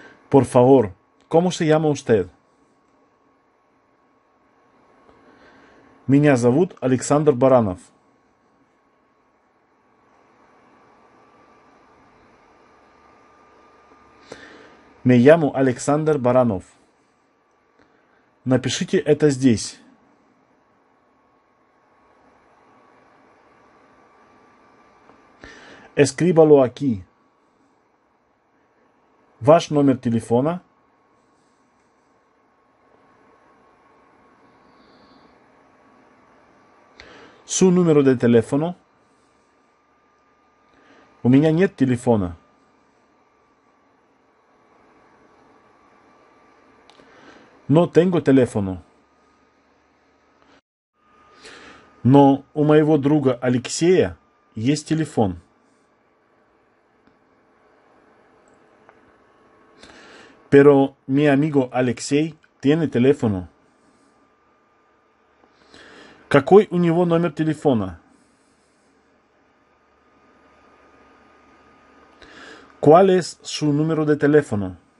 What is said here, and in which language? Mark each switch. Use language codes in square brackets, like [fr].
[es] Por favor, ¿cómo se llama usted? [ru] Меня зовут Александр Баранов. [es] Me llamo Alexander Baranov. [ru] Напишите это здесь. [es] Escríbalo aquí. [ru] Ваш номер телефона. [es] Su número de teléfono. [ru] У меня нет телефона. [es] No tengo teléfono. [ru] Но у моего друга Алексея есть телефон. [es] Pero mi amigo Алексей tiene teléfono. [ru] ¿Какой у него номер телефона? [es] ¿Cuál es su número de teléfono?